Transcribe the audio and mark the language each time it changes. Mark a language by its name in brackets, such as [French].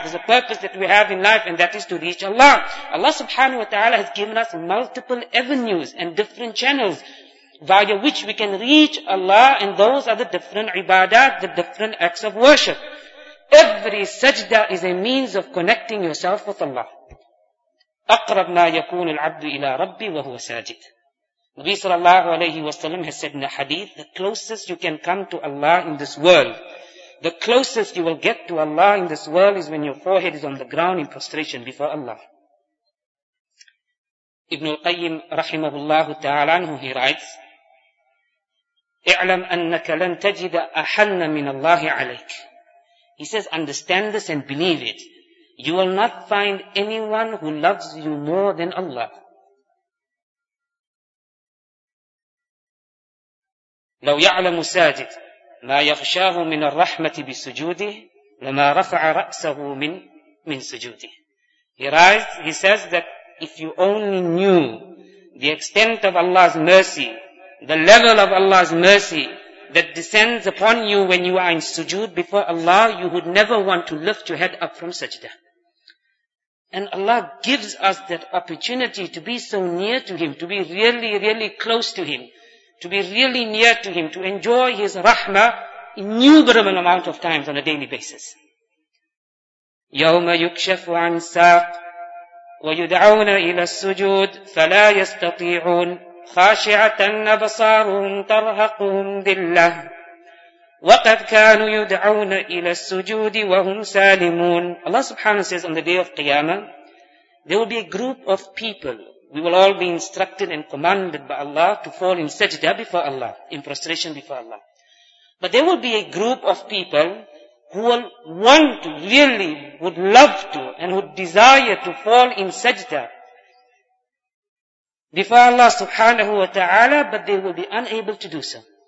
[English] There's a purpose that we have in life, and that is to reach Allah. Allah subhanahu wa ta'ala has given us multiple avenues and different channels via which we can reach Allah, and those are the different ibadat, the different acts of worship. Every sajda is a means of connecting yourself with Allah. [Arabic] أقرب ما يكون العبد إلى ربي وهو ساجد. [English] Nabi sallallahu alayhi wa sallam has said in a hadith, the closest you can come to Allah in this world, the closest you will get to Allah in this world is when your forehead is on the ground in prostration before Allah. Ibn al-Qayyim rahimahullahu ta'ala anhu, he writes, [Arabic] اعلم أنك لن تجد أحن من الله عليك. [English] He says, understand this and believe it. You will not find anyone who loves you more than Allah. [Arabic] لو يعلم ساجد ما يخشاه من الرحمة بسجوده لما رفع رأسه من سجوده. [English] He says that if you only knew the extent of Allah's mercy, the level of Allah's mercy that descends upon you when you are in sujood before Allah, you would never want to lift your head up from sajda. And Allah gives us that opportunity to be so near to Him, to be really, really close to Him, to be really near to Him, to enjoy His rahmah innumerable amount of times on a daily basis. [Arabic] يَوْمَ يُكْشَفُ عَنْ سَاقْ وَيُدْعَوْنَ إِلَى السُّجُودِ فَلَا يَسْتَطِيعُونَ خاشعة أبصارهم ترهقهم ذلة وقد كانوا يدعون إلى السجود وهم سالمون. [English] Allah subhanahu wa ta'ala says, on the day of Qiyamah, there will be a group of people We will all be instructed and commanded by Allah to fall in sajda before Allah, in prostration before Allah. But there will be a group of people who will want to, really would love to, and who desire to fall in sajda before Allah subhanahu wa ta'ala, but they will be unable to do so.